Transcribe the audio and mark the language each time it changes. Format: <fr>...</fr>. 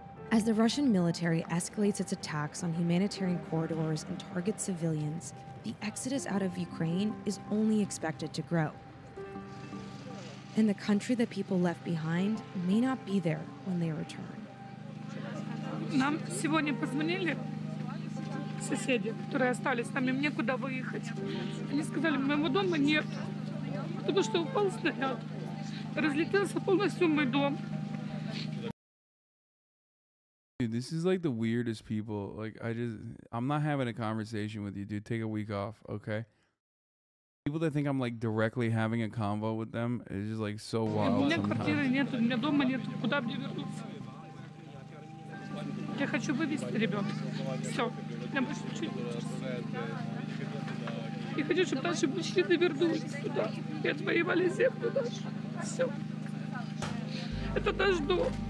<en>As the Russian military escalates its attacks on humanitarian corridors and targets civilians, the exodus out of Ukraine is only expected to grow. And the country that people left behind may not be there when they return.</en> <ru>Нам сегодня позвонили соседи, которые остались там, им некуда выехать. Они сказали, моего дома нет, потому что упал снаряд, разлетелся полностью мой дом.</ru> <en>Dude, this is like the weirdest people. Like, I'm not having a conversation with you, dude. Take a week off, okay? People that think I'm like directly having a convo with them is just like so wild.</en> <ru>У меня квартиры нет, у меня дома нет. Куда мне вернуться? Я хочу вывести ребенка. Все. Я хочу, чтобы наши мужчины вернулись сюда и отвоевали землю нашу. Все. Это наш дом.</ru>